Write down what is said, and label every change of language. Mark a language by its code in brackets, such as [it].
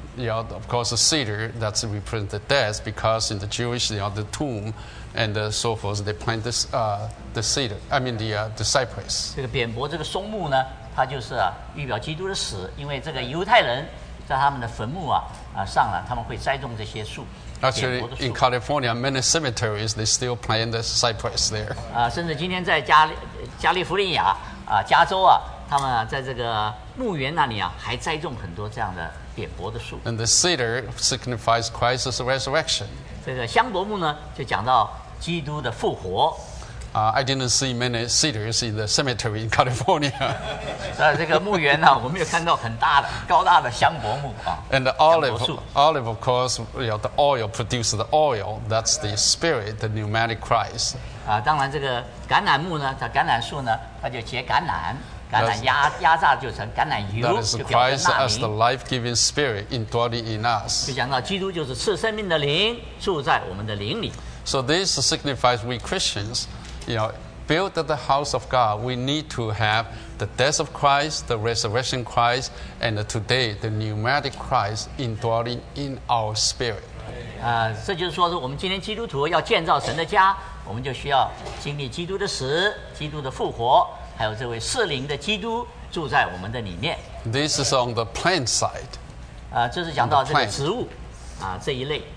[en] Yeah, of course, the cedar that's represent the death because in the Jewish, you know, the tomb and so forth, they plant this, the cedar, I mean the cypress. [zh] 这个扁柏这个松木呢，它就是预表基督的死，因为这个犹太人在他们的坟墓上了，他们会栽种这些树。 [en] Actually, in California, many cemeteries they still plant the cypress there. [zh] 甚至今天在加利福尼亚加州他们在这个墓园那里还栽种很多这样的。 [en] And the cedar signifies Christ's resurrection. [zh] 这个香柏木呢，就讲到基督的复活。 [en] I didn't see many cedars in the cemetery in California. [zh] 在这个墓园呢，我们有看到很大的、高大的香柏木 [en] And the olive, of course, you know, the oil produces the oil. That's the spirit, the pneumatic Christ. [zh] 当然这个橄榄木呢，它橄榄树呢，它就结橄榄。 [en] That is Christ as the life-giving spirit indwelling in us. [zh] 就讲到基督就是赐生命的灵住在我们的灵里。 [en] So this signifies we Christians, you know, build the house of God. We need to have the death of Christ, the resurrection Christ, and today the pneumatic Christ indwelling in our spirit. [zh] 这就是说我们今天基督徒要建造神的家，我们就需要经历基督的死、基督的复活。还有这位圣灵的基督住在我们的里面。 [en] This is on the plant side. [zh] 这是讲到这个植物这一类。